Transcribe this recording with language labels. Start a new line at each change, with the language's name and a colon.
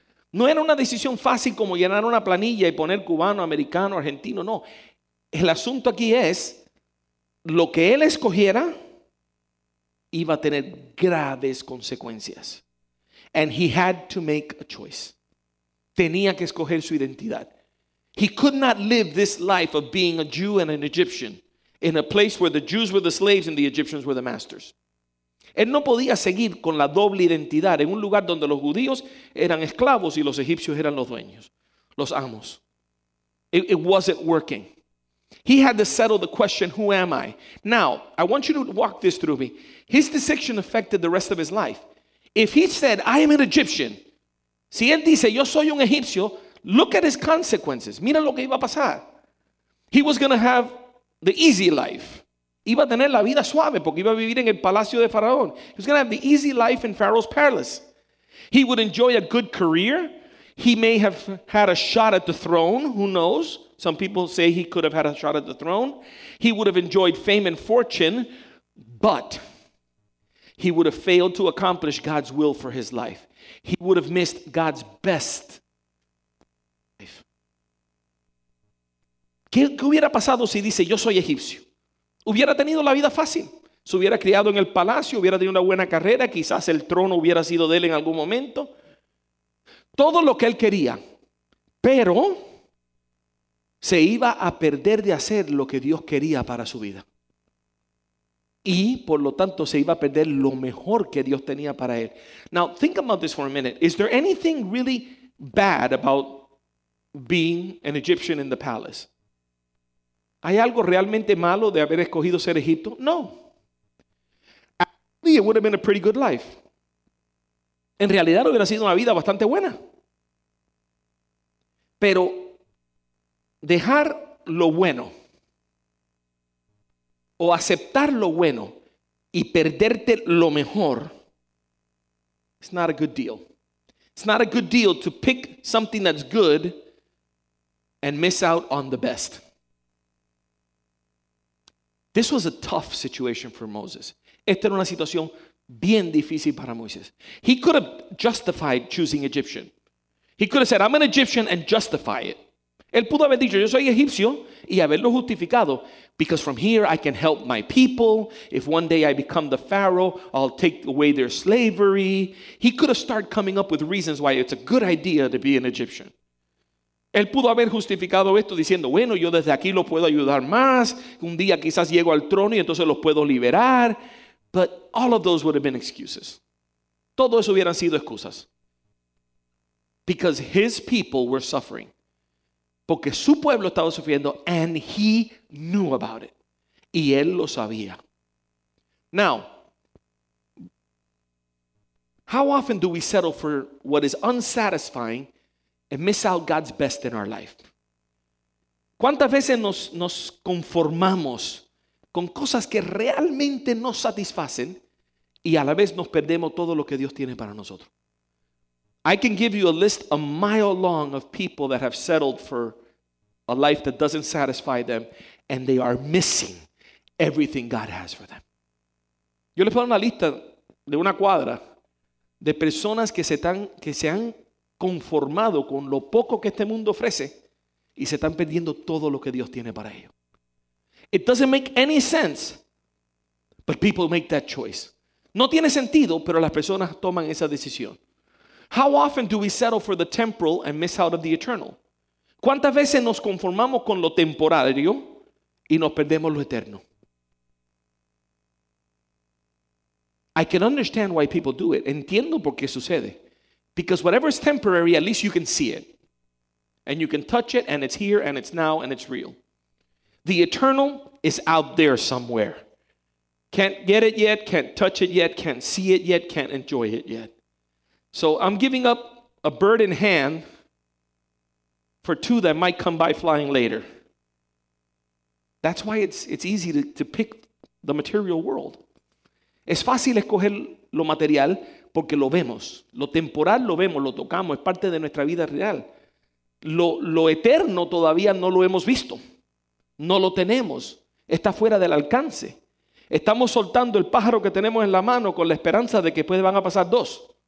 Spanish: No era una decisión fácil como llenar una planilla y poner cubano, americano, argentino, no. El asunto aquí es, lo que él escogiera iba a tener graves consecuencias.
English: And he had to make a choice.
Spanish: Tenía que escoger su identidad.
English: He could not live this life of being a Jew and an Egyptian in a place where the Jews were the slaves and the Egyptians were the masters.
Spanish: Él no podía seguir con la doble identidad en un lugar donde los judíos eran esclavos y los egipcios eran los dueños, los amos.
English: It wasn't working. He had to settle the question, who am I? Now, I want you to walk this through me. His decision affected the rest of his life. If he said, I am an Egyptian,
Spanish: si él dice, yo soy un egipcio,
English: look at his consequences.
Spanish: Mira lo que iba a pasar.
English: He was going to have the easy life.
Spanish: Iba a tener la vida suave porque iba a vivir en el palacio de Faraón.
English: He was going to have the easy life in Pharaoh's palace. He would enjoy a good career. He may have had a shot at the throne. Who knows? Some people say he could have had a shot at the throne. He would have enjoyed fame and fortune, but he would have failed to accomplish God's will for his life. He would have missed God's best life.
Spanish: ¿Qué hubiera pasado si dice, yo soy egipcio? Hubiera tenido la vida fácil. Se hubiera criado en el palacio, hubiera tenido una buena carrera, quizás el trono hubiera sido de él en algún momento. Todo lo que él quería, pero se iba a perder de hacer lo que Dios quería para su vida. Y por lo tanto se iba a perder lo mejor que Dios tenía para él.
English: Now think about this for a minute. Is there anything really bad about being an Egyptian in the palace?
Spanish: ¿Hay algo realmente malo de haber escogido ser Egipto? No.
English: Actually, it would have been a pretty good life.
Spanish: En realidad hubiera sido una vida bastante buena. Pero dejar lo bueno o aceptar lo bueno y perderte lo mejor,
English: it's not a good deal. It's not a good deal to pick something that's good and miss out on the best. This was a tough situation for Moses.
Spanish: Esta era una situación bien difícil para Moisés.
English: He could have justified choosing Egyptian. He could have said, I'm an Egyptian and justify it.
Spanish: Él pudo haber dicho, yo soy egipcio y haberlo justificado.
English: Because from here I can help my people. If one day I become the Pharaoh, I'll take away their slavery. He could have started coming up with reasons why it's a good idea to be an Egyptian.
Spanish: Él pudo haber justificado esto diciendo, bueno, yo desde aquí lo puedo ayudar más. Un día quizás llego al trono y entonces los puedo liberar.
English: But all of those would have been excuses.
Spanish: Todo eso hubieran sido excusas.
English: Because his people were suffering.
Spanish: Porque su pueblo estaba sufriendo,
English: and he knew about it.
Spanish: Y él lo sabía.
English: Now, how often do we settle for what is unsatisfying and miss out God's best in our life?
Spanish: ¿Cuántas veces nos conformamos con cosas que realmente nos satisfacen y a la vez nos perdemos todo lo que Dios tiene para nosotros?
English: I can give you a list a mile long of people that have settled for a life that doesn't satisfy them and they are missing everything God has for them.
Spanish: Yo les pongo una lista de una cuadra de personas que se han conformado con lo poco que este mundo ofrece y se están perdiendo todo lo que Dios tiene para ellos.
English: It doesn't make any sense, but people make that choice.
Spanish: No tiene sentido, pero las personas toman esa decisión.
English: How often do we settle for the temporal and miss out of the eternal?
Spanish: ¿Cuántas veces nos conformamos con lo temporario y nos perdemos lo eterno?
English: I can understand why people do it.
Spanish: Entiendo por qué sucede.
English: Because whatever is temporary, at least you can see it. And you can touch it, and it's here, and it's now, and it's real. The eternal is out there somewhere. Can't get it yet, can't touch it yet, can't see it yet, can't enjoy it yet. So I'm giving up a bird in hand for two that might come by flying later. That's why it's easy to pick the material world.
Spanish: Es fácil escoger lo material porque lo vemos. Lo temporal lo vemos, lo tocamos, es parte de nuestra vida real. Lo eterno todavía no lo hemos visto. No lo tenemos. Está fuera del alcance. Estamos soltando el pájaro que tenemos en la mano con la esperanza de que después van a pasar dos.